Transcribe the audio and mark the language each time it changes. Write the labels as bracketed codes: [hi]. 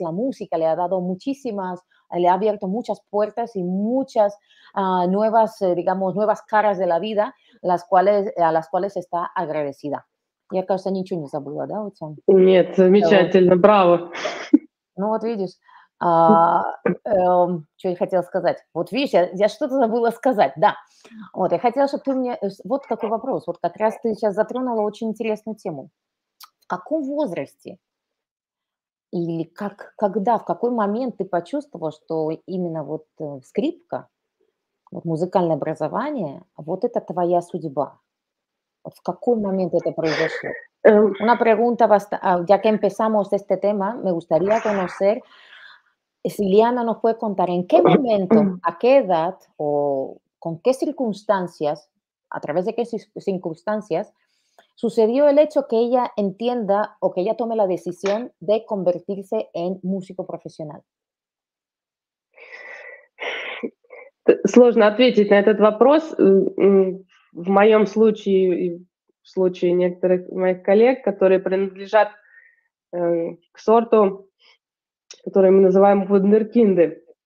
[es] La música le ha dado muchísimas, le ha abierto muchas puertas y muchas nuevas, digamos, nuevas caras de la vida, a las cuales está agradecida. [ru] Я, кажется, ничего не забыла, да, вот сам? Нет, замечательно, браво. Ну вот видишь, что я хотела сказать. Вот видишь, я что-то забыла сказать, да. Вот, я хотела, чтобы ты мне... Вот какой вопрос. Вот как раз ты сейчас затронула очень интересную тему. В каком возрасте или как, когда, в какой момент ты почувствовал, что именно вот скрипка, вот музыкальное образование, вот это твоя судьба? Вот в какой момент это произошло? [es] Una pregunta, ya que empezamos este tema, me gustaría conocer, si Liana nos puede contar, en qué momento, a qué edad o con qué circunstancias, a través de qué circunstancias, sucedió el hecho que ella entienda o que ella tome la decisión de convertirse en músico profesional. [ru] Сложно ответить на этот вопрос. В моем случае и в случае некоторых моих коллег, которые принадлежат к сорту, который мы называем вундеркинды.